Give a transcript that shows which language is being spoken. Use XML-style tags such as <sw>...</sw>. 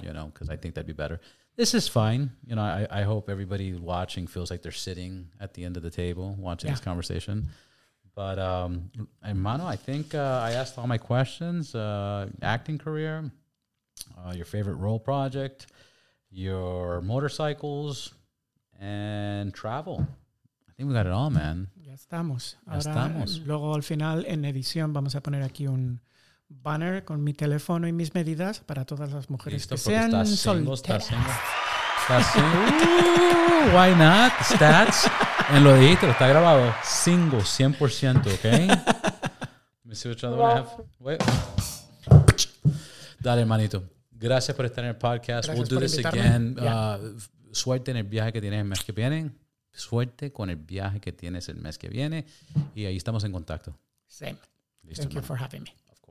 <en>You know, because I think that'd be better. This is fine. You know, I hope everybody watching feels like they're sitting at the end of the table watching yeah. this conversation. But, Mano, I think I asked all my questions. Acting career. Your favorite role project, your motorcycles, and travel. I think we got it all, man.</en> <es>Ya estamos. Luego, al final, en edición, vamos a poner aquí un banner con mi teléfono y mis medidas para todas las mujeres que sean solteras.</es> <en>Single. Why not? Stats.</en> <es>En lo dijiste, lo está grabado. Single, 100%, okay?</es> <en>Let me see which other one I have.</en> <es>Wait. Dale, manito. Gracias por estar en el podcast. Gracias,</es> <en>we'll do this</en> <es>invitarme.</es> <en>Again. Yeah.</en> <es>Suerte en el viaje que tienes el mes que viene. Suerte con el viaje que tienes el mes que viene. Y ahí estamos en contacto.</es> <en>Same. Listo, thank man. You for having me.</en>